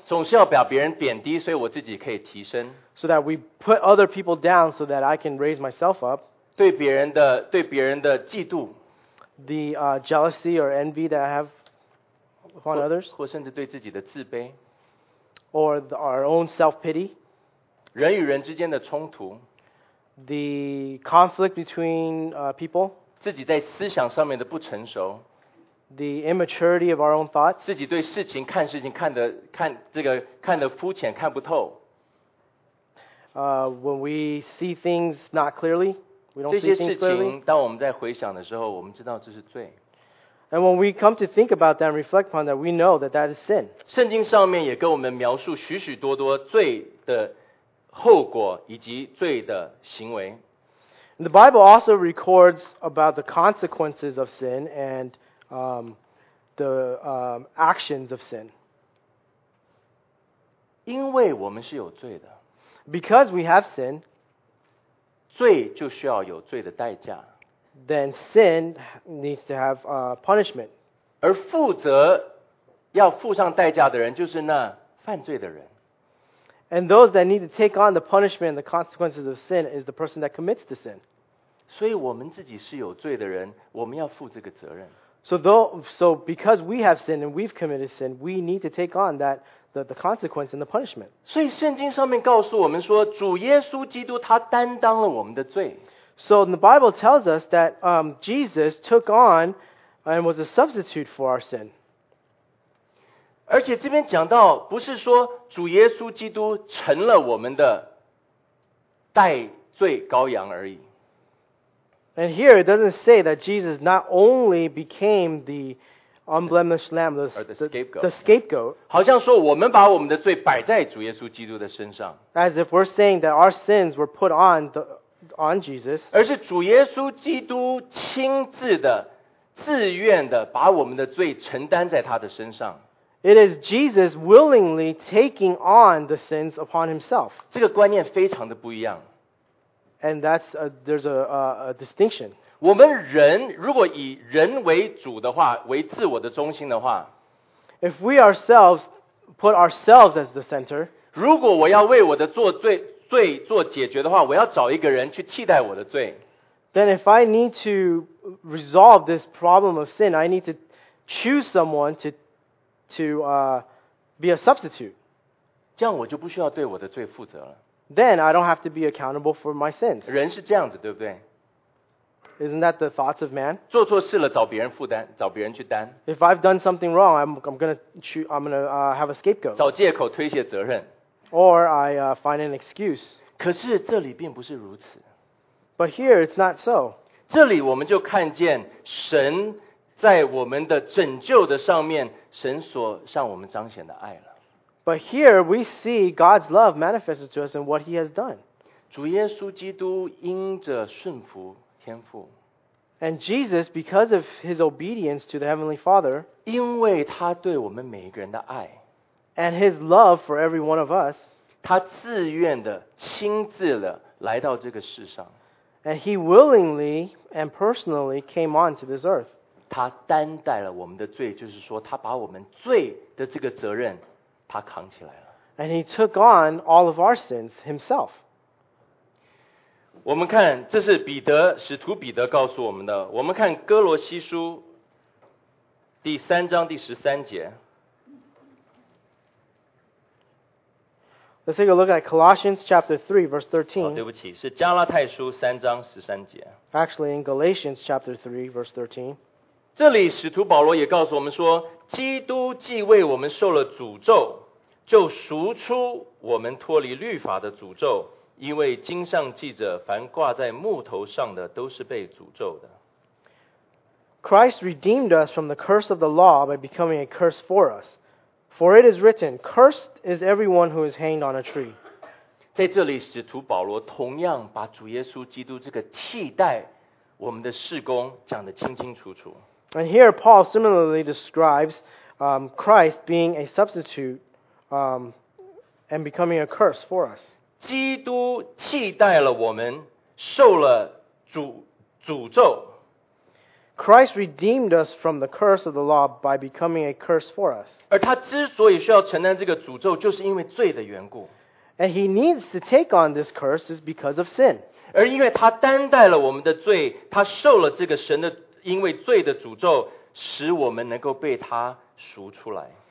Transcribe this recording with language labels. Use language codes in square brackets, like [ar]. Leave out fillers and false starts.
[zh] 总是要把别人贬低，所以我自己可以提升。 [en] So that we put other people down so that I can raise myself up. [zh] 对别人的嫉妒。 [en] The jealousy or envy that I have upon others. [zh] 或甚至对自己的自卑。 [en] Or our own self-pity. [zh] 人与人之间的冲突。 [en] The conflict between people. [zh] 自己在思想上面的不成熟。 [en] The immaturity of our own thoughts. [zh] 自己对事情看事情看得看这个看得肤浅看不透。 [en] When we see things not clearly, we don't see things clearly. [zh] 这些事情当我们在回想的时候，我们知道这是罪。 [en] And when we come to think about that and reflect upon that, we know that that is sin. [zh] 圣经上面也跟我们描述许许多多罪的后果以及罪的行为。 [en] And the Bible also records about the consequences of sin and actions of sin. [zh] 因为我们是有罪的。 [en] Because we have sin, [zh] 罪就需要有罪的代价。 [en] Then sin needs to have punishment. [zh] 而负责要付上代价的人就是那犯罪的人。 [en] And those that need to take on the punishment and the consequences of sin is the person that commits the sin. [zh] 所以我们自己是有罪的人，我们要负这个责任。 [en] So because we have sinned and we've committed sin, we need to take on that the consequence and the punishment. [zh] 所以圣经上面告诉我们说，主耶稣基督他担当了我们的罪。 [en] So the Bible tells us that Jesus took on and was a substitute for our sin. [zh] 而且这边讲到，不是说主耶稣基督成了我们的代罪羔羊而已。 [en] And here it doesn't say that Jesus not only became the unblemished lamb, the scapegoat. [zh] 好像说我们把我们的罪摆在主耶稣基督的身上。 [en] As if we're saying that our sins were put on Jesus. [zh] 而是主耶稣基督亲自的、自愿的把我们的罪承担在他的身上。 [en] It is Jesus willingly taking on the sins upon himself. [zh] 这个观念非常的不一样。 [en] And that's there's a distinction. [zh] 我们人如果以人为主的话，为自我的中心的话 [en] ，If we ourselves put ourselves as the center， [zh] 如果我要为我的罪做解决的话，我要找一个人去替代我的罪。 [en] Then if I need to resolve this problem of sin, I need to choose someone to to be a substitute. [zh] 这样我就不需要对我的罪负责了。 [en] Then I don't have to be accountable for my sins. [zh] 人是这样子，对不对？ [en] Isn't that the thoughts of man? [zh] 做错事了，找别人负担，找别人去担。 [en] If I've done something wrong, I'm gonna have a scapegoat. [zh] 找借口推卸责任。 [en] Or I find an excuse. [zh] 可是这里并不是如此。 [en] But here it's not so. [zh] 这里我们就看见神在我们的拯救的上面，神所向我们彰显的爱了。 [en] But here we see God's love manifested to us in what He has done. [zh] 主耶稣基督因着顺服天父。 [en] And Jesus, because of His obedience to the Heavenly Father, [zh] 因为他对我们每一个人的爱。 [en] And His love for every one of us, [zh] 他自愿的亲自的来到这个世上。 [en] And He willingly and personally came onto this earth. [zh] 他担待了我们的罪，就是说他把我们罪的这个责任他扛起来了。 [en] And He took on all of our sins Himself. [zh] 我们看，这是彼得，使徒彼得告诉我们的。我们看哥罗西书第三章第十三节。 [en] Let's take a look at Colossians chapter 3, verse 13. [zh] 对不起，是加拉太书三章十三节。 [en] Actually, in Galatians chapter 3, verse 13. [zh] 这里使徒保罗也告诉我们说，基督既为我们受了诅咒，就赎出我们脱离律法的诅咒，因为经上记着，凡挂在木头上的都是被诅咒的。 [en] Christ redeemed us from the curse of the law by becoming a curse for us. For it is written, cursed is everyone who is hanged on a tree. [zh] 在这里，使徒保罗同样把主耶稣基督这个替代我们的事工讲得清清楚楚。 [en] And here Paul similarly describes Christ being a substitute and becoming a curse for us. [zh] 基督替代了我们，受了诅咒。 [en] Christ redeemed us from the curse of the law by becoming a curse for us. [zh] 而他之所以需要承担这个诅咒，就是因为罪的缘故。 [en] And he needs to take on this curse is because of sin. [zh] 而因为他担待了我们的罪，他受了这个神的因为罪的诅咒，使我们能够被他赎出来。